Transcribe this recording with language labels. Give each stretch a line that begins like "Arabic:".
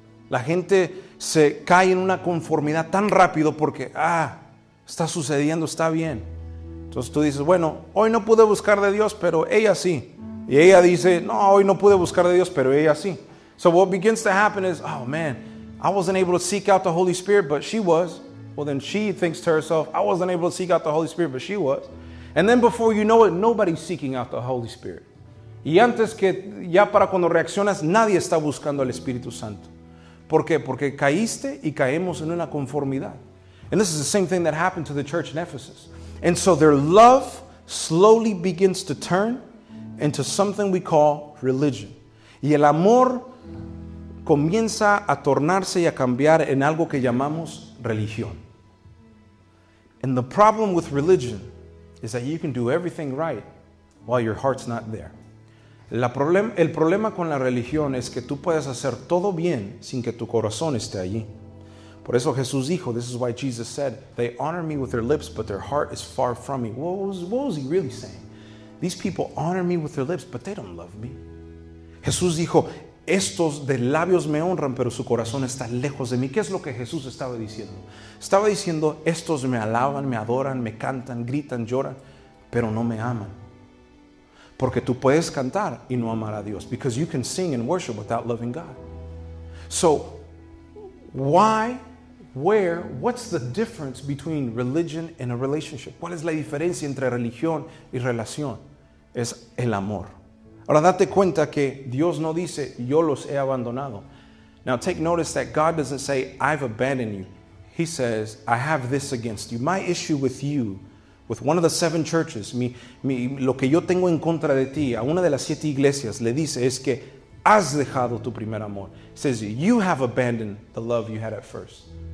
Spanish: La gente se cae en una conformidad tan rápido porque, está sucediendo, está bien. Entonces tú dices, bueno, hoy no pude buscar de Dios, pero ella sí. Y ella dice, no, hoy no pude buscar de Dios, pero ella sí.
English: So what begins to happen is, oh man, I wasn't able to seek out the Holy Spirit, but she was. Well, then she thinks to herself, I wasn't able to seek out the Holy Spirit, but she was. And then before you know it, nobody's seeking out the Holy Spirit.
Spanish: Y antes que ya para cuando reaccionas, nadie está buscando al Espíritu Santo. ¿Por qué? Porque caíste y caemos en una conformidad.
English: And this is the same thing that happened to the church in Ephesus. And so their love slowly begins to turn into something we call religion.
Spanish: Y el amor comienza a tornarse y a cambiar en algo que llamamos religión.
English: And the problem with religion is that you can do everything right while your heart's not there.
Spanish: El problema con la religión es que tú puedes hacer todo bien sin que tu corazón esté allí. Por eso Jesús dijo,
English: this is why Jesus said, they honor me with their lips, but their heart is far from me. What was he really saying? These people honor me with their lips, but they don't love me.
Spanish: Jesús dijo, estos de labios me honran, pero su corazón está lejos de mí. ¿Qué es lo que Jesús estaba diciendo? Estaba diciendo, estos me alaban, me adoran, me cantan, gritan, lloran, pero no me aman. Porque tú puedes cantar y no amar a Dios.
English: Because you can sing and worship without loving God. So, what's the difference between religion and a relationship?
Spanish: ¿Cuál es la diferencia entre religión y relación? Es el amor. Ahora date cuenta que Dios no dice, yo los he abandonado.
English: Now take notice that God doesn't say, I've abandoned you. He says, I have this against you. My issue with you, with one of the seven churches,
Spanish: lo que yo tengo en contra de ti, a una de las siete iglesias, le dice, es que has dejado tu primer amor.
English: He says, you have abandoned the love you had at first.